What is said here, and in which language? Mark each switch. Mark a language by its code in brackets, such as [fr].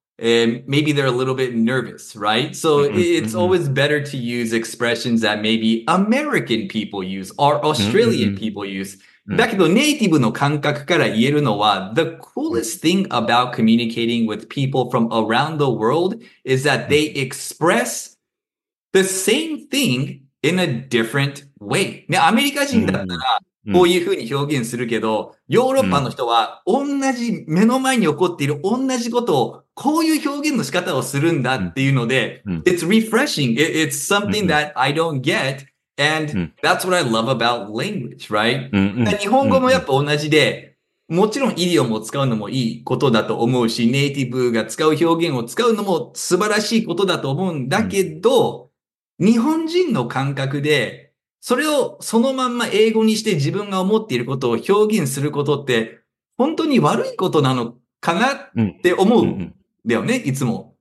[en] And maybe they're a little bit nervous, right? So mm-hmm. it's always better to use expressions that maybe American people use or Australian mm-hmm. people use. [ja] Dakedo native no kankaku kara ieru no wa, [en] the coolest thing about communicating with people from around the world is that they express the same thing in a different way. Now, [ja] American 人だったらこういうふうに表現するけど、ヨーロッパの人は同じ目の前に起こっている同じことをこういう表現の仕方をするんだっていうので、 [en] It's refreshing. It's something that I don't get. And that's what I love about language, right? [ja] 日本語もやっぱ同じで、もちろんイディオムを使うのもいいことだと思うし、ネイティブが使う表現を使うのも素晴らしいことだと思うんだけど、日本人の感覚で、それをそのまんま英語にして自分が思っていることを表現することって本当に悪いことなのかなって思うんだよね、いつも。